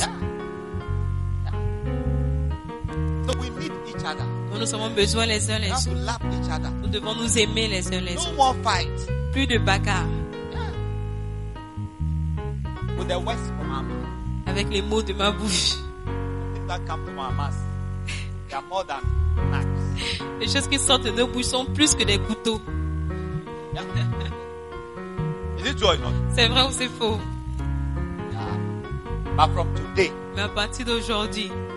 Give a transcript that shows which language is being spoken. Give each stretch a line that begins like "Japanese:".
English: Yeah. Yeah. So we need each other.
French: Nous nous avons besoin les uns les autres.
English: Love each other.
French: Nous devons nous aimer les uns les
English: no
French: autres.
English: More fight.
French: Plus de bagarre.
English: Yeah. With the words from our mouth.
French: Avec les mots de ma bouche.
English: That come from our mouth. They are more than knives.
French: Les choses qui sortent de nos bouches sont plus que des couteaux.
English: Yeah. Is it true or not?
French: C'est vrai ou c'est faux?
English: Yeah. But from today.
French: Mais à partir d'aujourd'hui.